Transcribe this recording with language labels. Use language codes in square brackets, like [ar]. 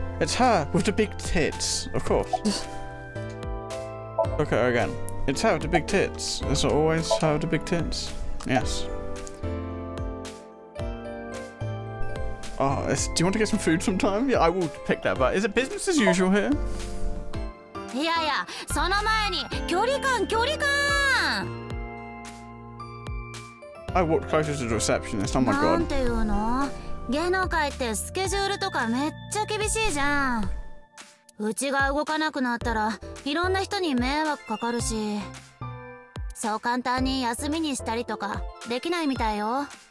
[en] It's her with the big tits, of course. Look at her again. It's her with the big tits. Is it always her with the big tits? Yes. Oh, do you want to get some food sometime? Yeah, I will pick that, but is it business as usual here? Yeah, yeah. [ja] その前に、距離感、距離感! [en] I walked closer to the receptionist. Oh my god. [ja] なんていうの? 芸能界ってスケジュールとかめっちゃ厳しいじゃん。うちが動かなくなったら、いろんな人に迷惑かかるし。そう簡単に休みにしたりとか、できないみたいよ。